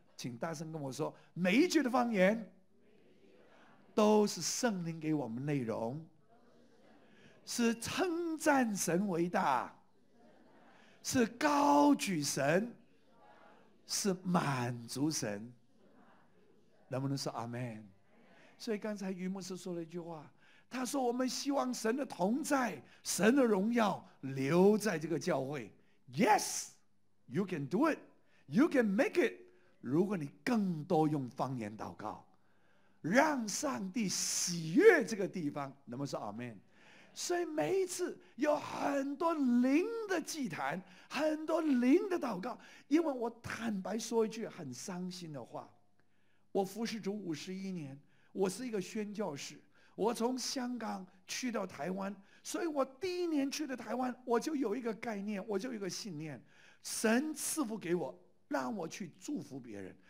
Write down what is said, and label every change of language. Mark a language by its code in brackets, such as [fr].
[zh] 请大声跟我说，每一句的方言都是圣灵给我们内容，是称赞神伟大，是高举神，是满足神。能不能说阿们？所以刚才于牧师说了一句话，他说我们希望神的同在，神的荣耀留在这个教会。 [en] Yes, you can do it, you can make it。 [zh] 如果你更多用方言祷告，让上帝喜悦这个地方，能不能说 Amen？所以每一次有很多灵的祭坛，很多灵的祷告。因为我坦白说一句很伤心的话，我服侍主51年，我是一个宣教士，我从香港去到台湾，所以我第一年去的台湾，我就有一个概念，我就有一个信念，神赐福给我，让我去祝福别人。